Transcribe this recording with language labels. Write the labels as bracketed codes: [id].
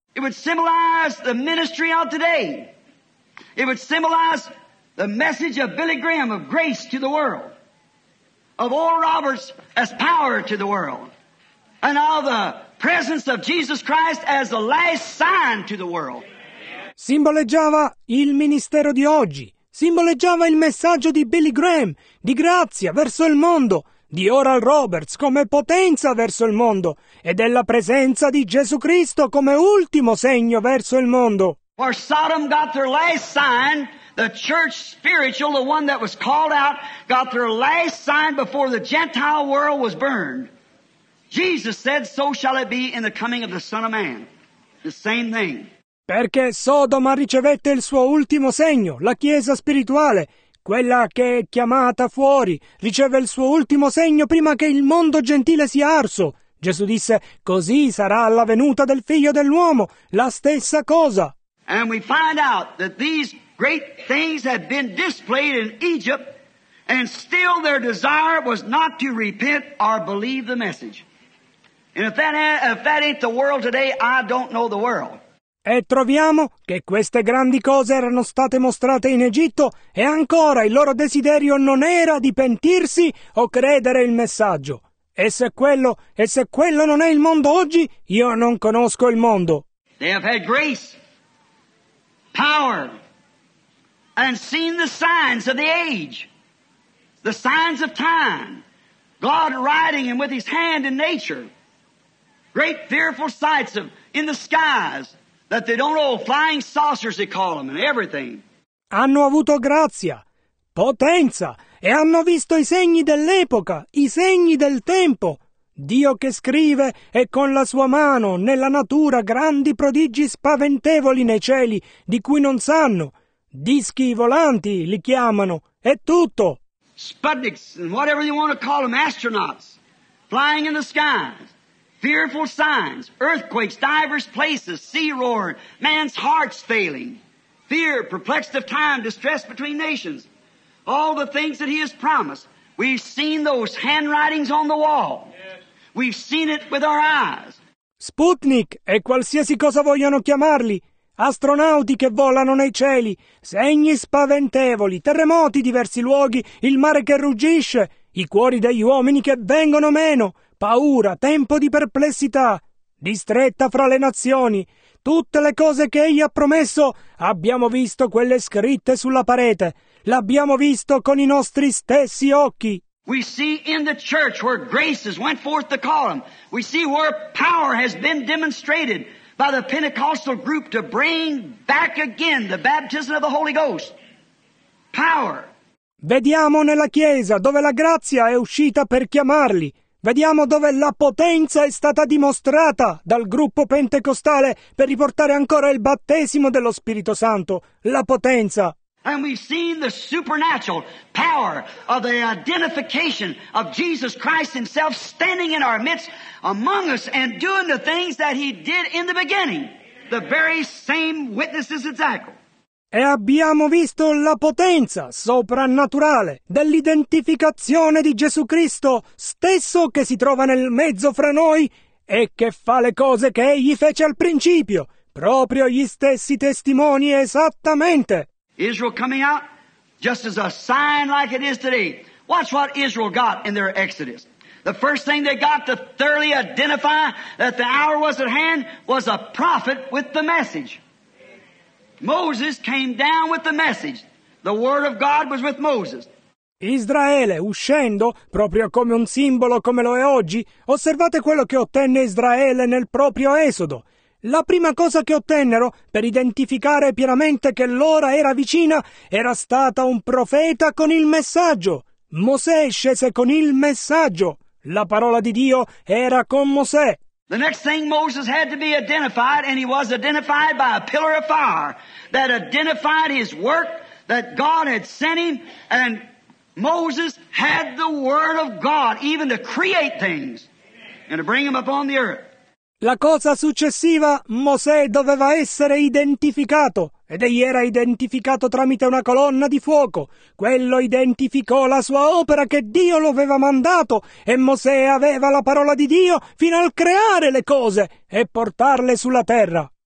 [en] It would symbolize the ministry of today. It would symbolize the message of Billy Graham of grace to the world, of Oral Roberts as power to the world, and of the presence of Jesus Christ as the last sign to the world. [it] Simboleggiava il ministero di oggi. Simboleggiava il messaggio di Billy Graham di grazia verso il mondo, di Oral Roberts come potenza verso il mondo e della presenza di Gesù Cristo come ultimo segno verso il mondo. [en] For Sodom got their last sign, the church spiritual, the one that was called out, got their last sign before the Gentile world was burned. Jesus said, so shall it be in the coming of the Son of Man. The same thing. [it] Perché Sodoma ricevette il suo ultimo segno, la Chiesa spirituale, quella che è chiamata fuori, riceve il suo ultimo segno prima che il mondo gentile sia arso. Gesù disse, così sarà la venuta del Figlio dell'Uomo, la stessa cosa. [en] And we find out that these great things had been displayed in Egypt, and still their desire was not to repent or believe the message. And if that ain't the world today, I don't know the world. [it] E troviamo che queste grandi cose erano state mostrate in Egitto e ancora il loro desiderio non era di pentirsi o credere il messaggio. E se quello non è il mondo oggi, io non conosco il mondo. [en] They have had grace, power, and seen the signs of the age, the signs of time, God riding him with his hand in nature, great fearful sights of in the skies, that they don't know, flying saucers they call them, and everything. [it] Hanno avuto grazia, potenza, e hanno visto i segni dell'epoca, i segni del tempo. Dio che scrive e con la sua mano, nella natura, grandi prodigi spaventevoli nei cieli, di cui non sanno. Dischi volanti li chiamano, è tutto. [en] Sputniks, and whatever you want to call them, astronauts, flying in the skies. Fearful signs, earthquakes, diverse places, sea roaring, man's heart's failing, fear, perplexed of time, distress between nations, all the things that he has promised. We've seen those handwritings on the wall. We've seen it with our eyes. [it] Sputnik e qualsiasi cosa vogliono chiamarli, astronauti che volano nei cieli, segni spaventevoli, terremoti, diversi luoghi, il mare che ruggisce, i cuori degli uomini che vengono meno. Paura, tempo di perplessità, distretta fra le nazioni. Tutte le cose che egli ha promesso, abbiamo visto quelle scritte sulla parete. L'abbiamo visto con i nostri stessi occhi. [en] We see in the church where graces went forth to call them. We see where power has been demonstrated by the Pentecostal group to bring back again the baptism of the Holy Ghost. Power. [it] Vediamo nella Chiesa dove la grazia è uscita per chiamarli. Vediamo dove la potenza è stata dimostrata dal gruppo pentecostale per riportare ancora il battesimo dello Spirito Santo, la potenza. [en] And we've seen the supernatural power of the identification of Jesus Christ himself standing in our midst among us and doing the things that he did in the beginning, the very same witnesses exactly. [it] E abbiamo visto la potenza soprannaturale dell'identificazione di Gesù Cristo stesso che si trova nel mezzo fra noi e che fa le cose che egli fece al principio, proprio gli stessi testimoni esattamente. [en] Israel coming out just as a sign like it is today. Watch what Israel got in their Exodus. The first thing they got to thoroughly identify that the hour was at hand was a prophet with the message. Moses came down with the message. The word of God was with Moses. [it] Israele, uscendo, proprio come un simbolo come lo è oggi, osservate quello che ottenne Israele nel proprio esodo. La prima cosa che ottennero, per identificare pienamente che l'ora era vicina, era stata un profeta con il messaggio. Mosè scese con il messaggio. La parola di Dio era con Mosè. [en] The next thing Moses had to be identified, and he was identified by a pillar of fire that identified his work that God had sent him, and Moses had the word of God even to create things and to bring them upon the earth. [it] La cosa successiva, Mosè doveva essere identificato, ed egli era identificato tramite una colonna di fuoco. Quello identificò la sua opera che Dio lo aveva mandato, e Mosè aveva la parola di Dio fino al creare le cose e portarle sulla terra.